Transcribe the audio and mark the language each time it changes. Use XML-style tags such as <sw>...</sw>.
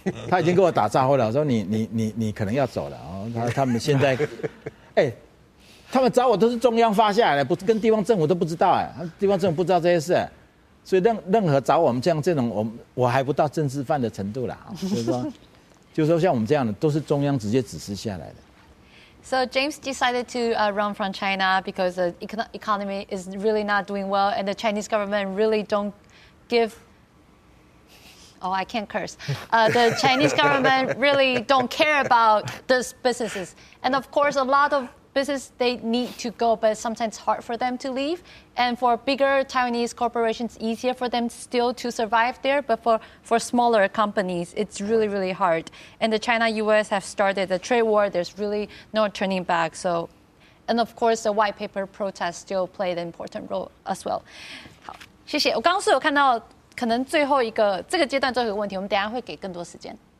<zh>他已经跟我打招呼了，我说你可能要走了，他们现在。他们找我都是中央发下来的，不跟地方政府都不知道，地方政府不知道这些事，所以任何找我们这种我还不到政治犯的程度啦，就是说像我们这样的都是中央直接指示下来的。</zh> <en>So James decided to run from China because the economy is really not doing well and the Chinese government really don't give. Oh, I can't curse. The Chinese government really don't care about these businesses. And of course, a lot of business, they need to go, but sometimes it's hard for them to leave. And for bigger Taiwanese corporations, it's easier for them still to survive there. But for smaller companies, it's really, really hard. And the China-US have started a trade war. There's really no turning back. So, and of course, the white paper protests still play an important role as well.</en> <zh>好，谢谢。我刚刚是有看到可能最后一个这个阶段最后一个问题，我们等一下会给更多时间。</zh>